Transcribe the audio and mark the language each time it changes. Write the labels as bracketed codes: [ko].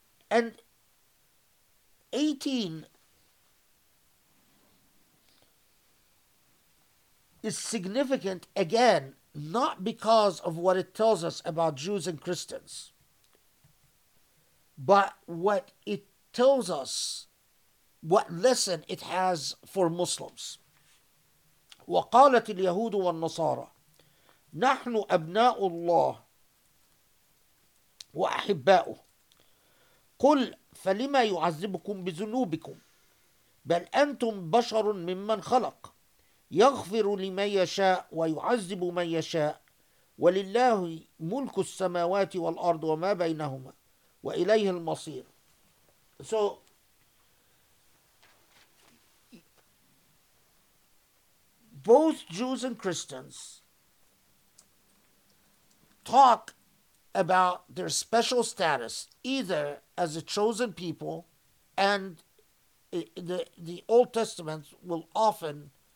[en] And 18 is significant again, not because of what it tells us about Jews and Christians, but what it tells us, what lesson it has for Muslims. [ar] وقالت اليهود والنصارى نحن أبناء الله وأحباؤه قل فلما يعذبكم بذنوبكم بل أنتم بشر ممن خلق يغفر لمن يشاء ويعذب من يشاء ولله ملك السماوات والأرض وما بينهما وإليه المصير. [en] So both Jews and Christians talk about their special status, either as a chosen people, and the Old Testament will often